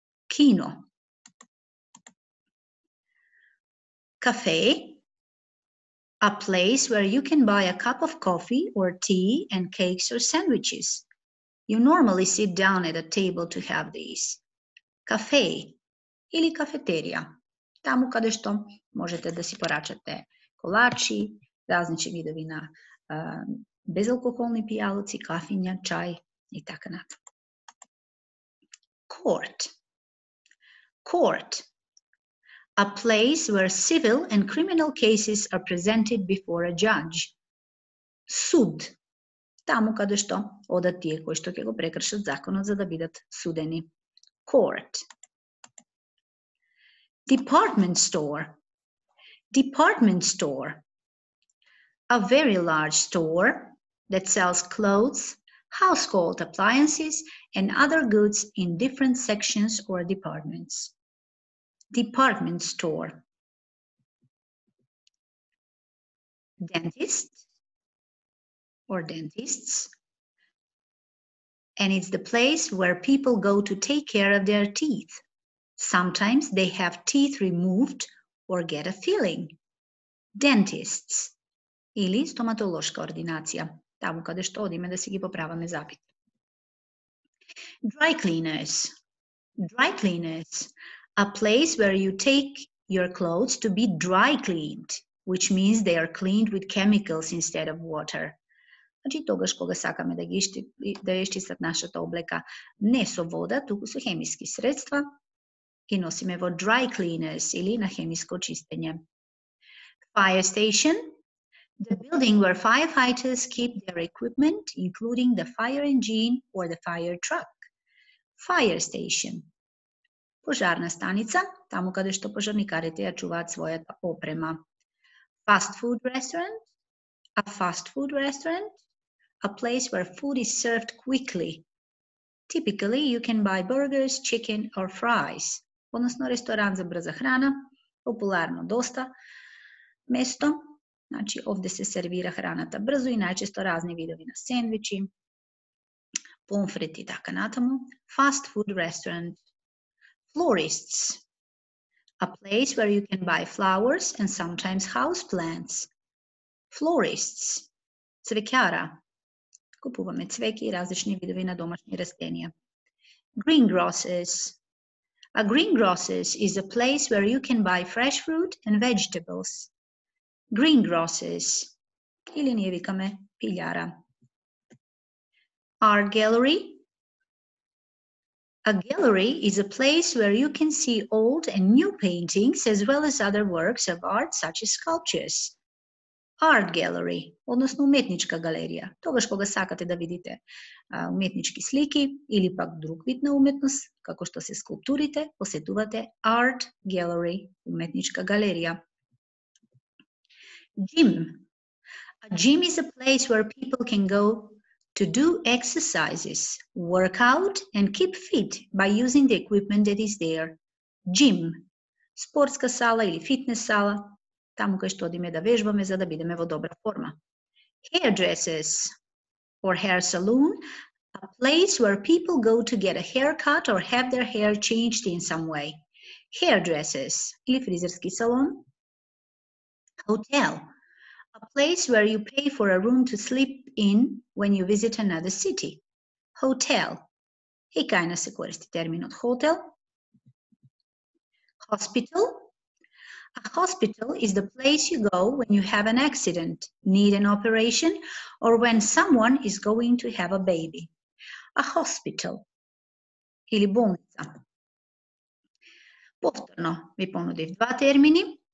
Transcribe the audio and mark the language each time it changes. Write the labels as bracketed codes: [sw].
[mk] Кино. [en] Cafe. A place where you can buy a cup of coffee or tea and cakes or sandwiches. You normally sit down at a table to have these. [mk] Cafe. Или кафетерија. Таму каде што можете да си порачате колачи, различни видови на безалкохолни пијалоци, кафиња, чај и така натаму. [en] Court. Court. A place where civil and criminal cases are presented before a judge. [mk] Суд. Таму каде што одат тие кои што ќе го прекршат законот за да бидат судени. [en] Court. Department store. Department store. A very large store that sells clothes, household appliances, and other goods in different sections or departments. Department store. Dentist or dentists. And it's the place where people go to take care of their teeth. Sometimes they have teeth removed or get a filling. Dentists. [mk] Или стоматолошка ординација, таму каде што одиме да си ги поправаме забите. [en] Dry cleaners. Dry cleaners. A place where you take your clothes to be dry cleaned, which means they are cleaned with chemicals instead of water. [mk] Значи тогаш кога сакаме да ги исчистат нашата облека не со вода, туку со хемиски средства и носиме во dry cleaners или на хемиско чистење. [en] Fire station. The building where firefighters keep their equipment, including the fire engine or the fire truck. Fire station. [mk] Пожарна станица, таму каде што пожарникарите ја чуваат својата опрема. [en] Fast food restaurant. A fast food restaurant. A place where food is served quickly. Typically, you can buy burgers, chicken or fries. [mk] Односно, ресторан за брза храна, популярно доста место. Значи, овде се сервира храната брзо и најчесто разни видови на сендвичи, помфрет и така натаму. [en] Fast food restaurant. Florists. A place where you can buy flowers and sometimes house plants. Florists. [mk] Цвекјара. Купуваме цвеки и различни видови на домашни растенија. [en] Greengrocers. A greengrocers is a place where you can buy fresh fruit and vegetables. Greengrocers. [mk] Или ние викаме пилјара. [en] Art gallery. A gallery is a place where you can see old and new paintings as well as other works of art such as sculptures. Art gallery. [mk] Односно уметничка галерија. Тогаш кога сакате да видите уметнички слики или пак друг вид на уметност, како што се скулптурите, посетувате art gallery, уметничка галерија. [en] Gym. A gym is a place where people can go to do exercises, work out and keep fit by using the equipment that is there. Gym. [mk] Спортска сала или фитнес сала, таму кај што одиме да вежбаме за да бидеме во добра форма. [en] Hairdressers or hair salon, a place where people go to get a haircut or have their hair changed in some way. Hairdressers [mk] или фризерски салон. [en] Hotel. A place where you pay for a room to sleep in when you visit another city. Hotel. [mk] И кај нас се користи терминот хотел? [en] Hospital. A hospital is the place you go when you have an accident, need an operation, or when someone is going to have a baby. A hospital. [mk] Или болница. Повторно, ми понудив два термини.